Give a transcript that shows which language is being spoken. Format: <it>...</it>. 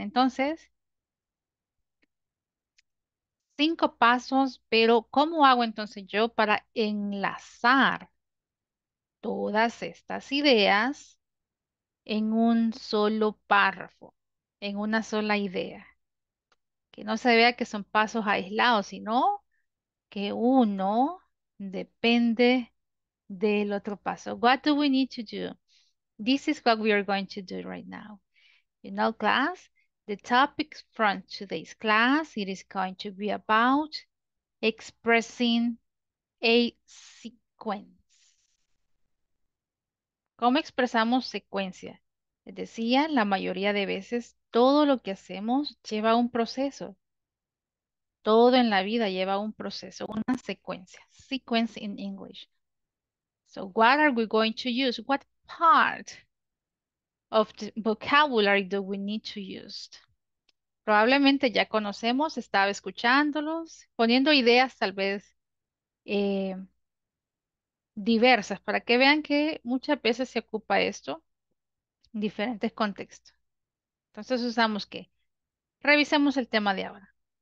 <es>Entonces, 5 pasos, pero ¿cómo hago entonces yo para enlazar todas estas ideas en un solo párrafo, en una sola idea? Que no se vea que son pasos aislados, sino que uno depende del otro paso.</es> <en>What do we need to do? This is what we are going to do right now. You know, class, the topic from today's class, it is going to be about expressing a sequence.</en> <es>¿Cómo expresamos secuencia? Les decía, la mayoría de veces, todo lo que hacemos lleva un proceso. Todo en la vida lleva un proceso, una secuencia.</es> <en>Sequence in English. So what are we going to use? What part of the vocabulary do we need to use?</en> <es>Probablemente ya conocemos, estaba escuchándolos, poniendo ideas tal vez diversas para que vean que muchas veces se ocupa esto en diferentes contextos. Entonces usamos ¿qué? Revisemos el tema de ahora.</es>